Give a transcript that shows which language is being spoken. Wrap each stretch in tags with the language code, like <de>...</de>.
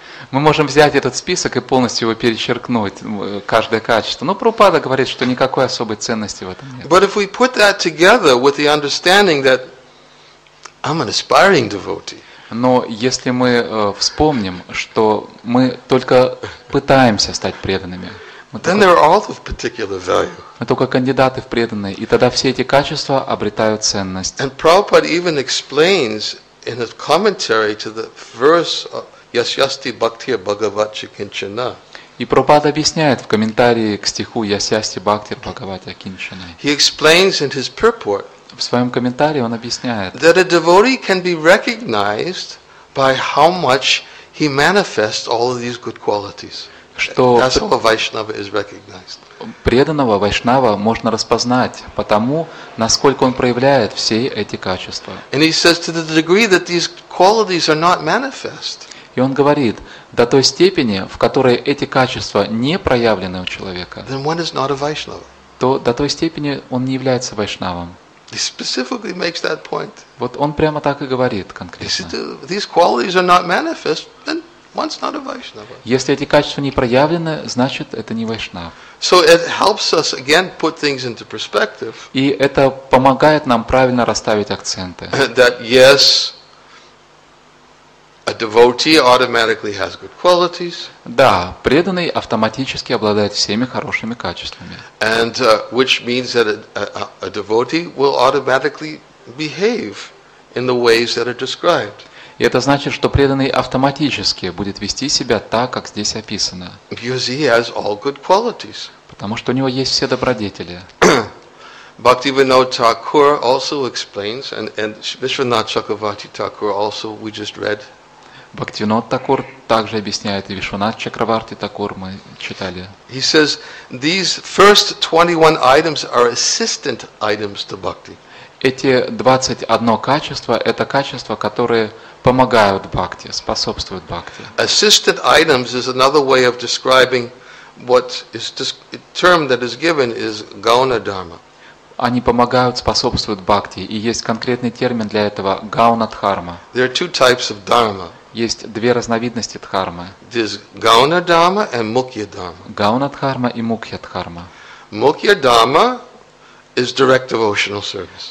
<ru>Мы можем взять этот список и полностью его перечеркнуть, каждое качество. Но Прабхупада говорит, что никакой особой ценности в этом нет.</ru> <en>But if we put that together with the understanding that I'm an aspiring devotee.</en> <ru>Но если мы вспомним, что мы только пытаемся стать преданными,</ru> <en>then they're all of particular value.</en> <ru>Мы только кандидаты в преданные, и тогда все эти качества обретают ценность.</ru> <en>And Prabhupada even explains in his commentary to the verse Yasyasti Bhaktir Bhagavat Chikinchana.</en> <ru>И Прабхупада объясняет в комментарии к стиху Yasyasti Bhaktir Bhagavat Chikinchana.</ru> <en>He explains in his purport.</en> <ru>В своем комментарии он объясняет,</ru> <en>that a devotee can be recognized by how much he manifests all of these good qualities.</en> <ru>Что</ru> <en>that's how a Vaishnava is recognized.</en> <ru>Преданного Вайшнава можно распознать по тому, насколько он проявляет все эти качества.</ru> <en>And he says to the degree that these qualities are not manifest.</en> <ru>И он говорит, до той степени, в которой эти качества не проявлены у человека,</ru> <en>then one is not a Vaishnava.</en> <ru>То до той степени он не является Вайшнавом.</ru> <en>He specifically makes that point.</en> <ru>Вот он прямо так и говорит конкретно.</ru> <en>These qualities are not manifest, then one's not a Vaishnava.</en> <ru>Если эти качества не проявлены, значит это не Вайшнав.</ru> <en>So it helps us again put things into perspective.</en> <ru>И это помогает нам правильно расставить акценты.</ru> <en>That yes, a devotee automatically has good qualities.</en> <ru>Да, преданный автоматически обладает всеми хорошими качествами.</ru> <en>And which means that a devotee will automatically behave in the ways that are described.</en> <ru>И это значит, что преданный автоматически будет вести себя так, как здесь описано.</ru> <en>Because he has all good qualities.</en> <ru>Потому что у него есть все добродетели.</ru> <en>Bhaktivinoda Thakur also explains, and Vishwanath Chakravarti Thakur also, we just read.</en> <ru>Бхактивинод Такур также объясняет, и Вишванат Чакраварти Такур мы читали.</ru> <en>He says, these first 21 items are assistant items to bhakti.</en> <ru>Эти 21 качество – это качества, которые помогают бхакти, способствуют бхакти.</ru> <en>Assistant items is another way of describing what is termed that is given is gauna dharma.</en> <ru>они помогают, способствуют бхакти. И есть конкретный термин для этого – гауна-дхарма.</ru> <en>There are two types of dharma.</en> <ru>Есть две разновидности дхармы.</ru> <en>There's гауна-дхарма and мукья-дхарма.</en> <ru>Гауна-дхарма и мукья-дхарма.</ru> <en>Мукья-дхарма is direct devotional service.</en>